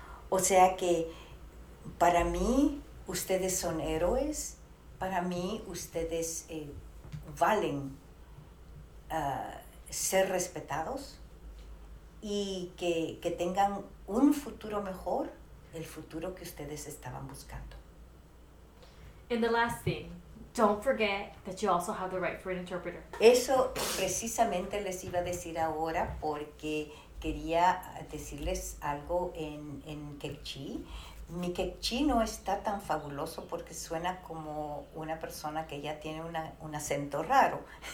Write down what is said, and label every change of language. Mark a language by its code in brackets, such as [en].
[es] O sea que para mí ustedes son héroes, para mí ustedes valen ser respetados, y que tengan un futuro mejor, el futuro que ustedes estaban buscando. [en] And the last thing, don't forget that you also have the right for an interpreter. [es] Eso precisamente les iba a decir ahora, porque quería decirles algo en Quechí. Mi Quechí no está tan fabuloso porque suena como una persona que ya tiene un acento raro.